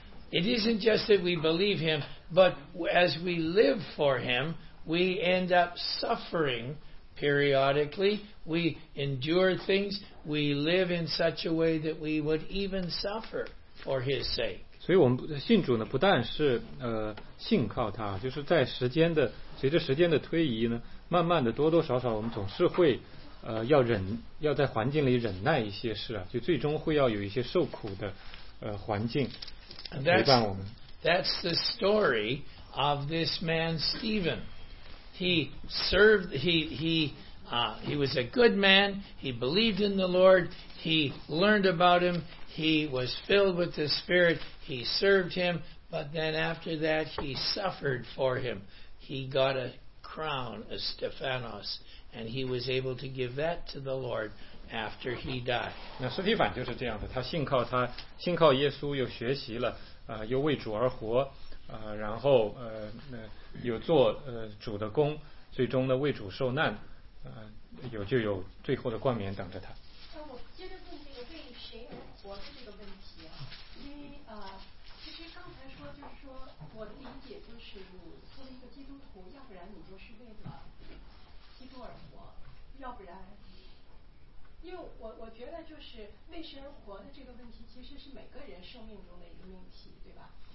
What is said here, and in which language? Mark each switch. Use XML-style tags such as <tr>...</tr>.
<en>It isn't just that we believe him, but as we live for him, we end up suffering periodically. We endure things. We live in such a way that we would even suffer for his sake. 所以我们信主呢，不但是信靠他，就是在时间的随着时间的推移呢，慢慢的多多少少我们总是会要在环境里忍耐一些事啊，就最终会要有一些受苦的环境。 And that's the story of this man Stephen. He served. He was a good man. He believed in the Lord. He learned about him. He was filled with the Spirit. He served him. But then after that, he suffered for him. He got a crown, a Stephanos, and he was able to give that to the Lord after he died.</en> <zh>那斯提凡就是这样的，他信靠他，信靠耶稣，又学习了，又为主而活，然后有做主的工，最终呢为主受难，有就有最后的冠冕等着他。那我接着问这个为谁而活的这个问题啊，因为其实刚才说就是说我的理解就是作为一个基督徒，要不然你就是为了基督而活，要不然，因为我觉得就是为谁而活的这个问题其实是每个人生命中的一个命题，对吧？</zh>